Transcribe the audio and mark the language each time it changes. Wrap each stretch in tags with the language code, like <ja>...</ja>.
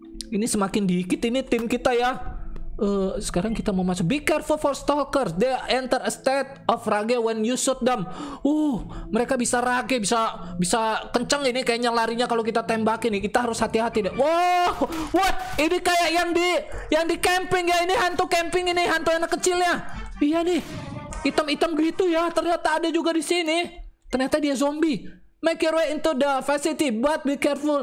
<id>Ini semakin dikit ini tim kita ya. Sekarang kita mau masuk.</id> <en>Be careful for stalkers. They enter a state of rage when you shoot them.</en> <id>Mereka bisa rage, bisa kenceng ini kayaknya larinya kalau kita tembakin nih. Kita harus hati-hati deh.</id> <en>Wow, what?</en> <id>Ini kayak yang di camping ya. Ini hantu camping ini, hantu anak kecilnya. Iya nih. Hitam-hitam gitu ya. Ternyata ada juga di sini. Ternyata dia zombie.</id> <en>Make your way into the facility, but be careful.</en>